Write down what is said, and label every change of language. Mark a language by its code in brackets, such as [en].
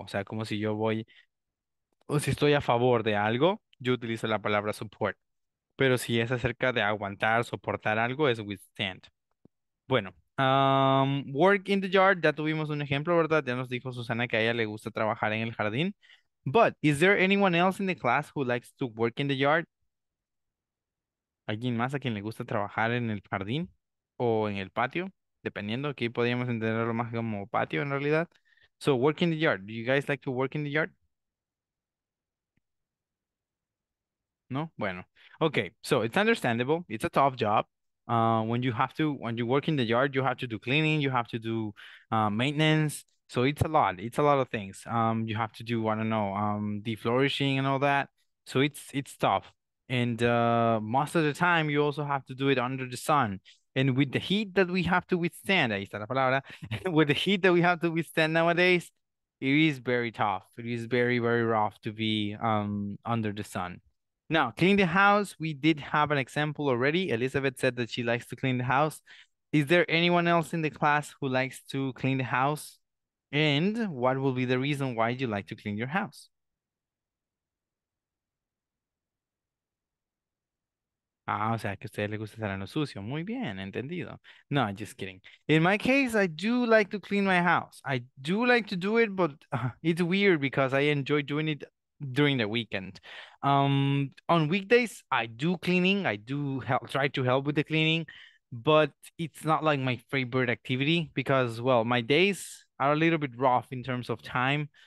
[es] O sea, como si yo voy, o si estoy a favor de algo, yo utilizo la palabra support. Pero si es acerca de aguantar, soportar algo, es withstand. Bueno. [en] Work in the yard, [es] ya tuvimos un ejemplo, ¿verdad? Ya nos dijo Susana que a ella le gusta trabajar en el jardín. [en] But is there anyone else in the class who likes to work in the yard? [es] ¿Alguien más a quien le gusta trabajar en el jardín o en el patio? Dependiendo, aquí podríamos entenderlo más como patio en realidad. [en] So, work in the yard. Do you guys like to work in the yard? [es] ¿No? Bueno. [en] Okay, so it's understandable. It's a tough job. When you work in the yard, you have to do cleaning, you have to do maintenance. So it's a lot of things. You have to do, I don't know, deflourishing and all that. So it's tough. And most of the time, you also have to do it under the sun. And with the heat that we have to withstand, [es] ahí está la palabra, [en] with the heat that we have to withstand nowadays, it is very tough. It is very, very rough to be under the sun. Now, clean the house. We did have an example already. Elizabeth said that she likes to clean the house. Is there anyone else in the class who likes to clean the house? And what will be the reason why you like to clean your house? [es] Ah, o sea, que a ustedes les gusta estar en lo sucio. Muy bien, entendido. [en] No, just kidding. In my case, I do like to clean my house. I do like to do it, but it's weird because I enjoy doing it during the weekend. On weekdays, I do cleaning. I do help, try to help with the cleaning, but it's not like my favorite activity because, well, my days are a little bit rough in terms of time.